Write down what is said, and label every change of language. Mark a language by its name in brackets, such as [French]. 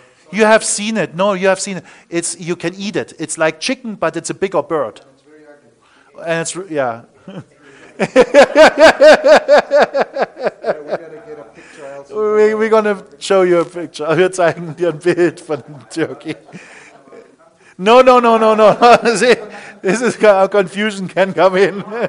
[English] You have seen it. No, you have seen it. It's, you can eat it. It's like chicken, but it's a bigger bird. And it's, yeah. We're going to show you a picture. [German] Wir zeigen dir ein Bild von dem Turkey. [English] No, no, no, no, no. See, this is how confusion can come in.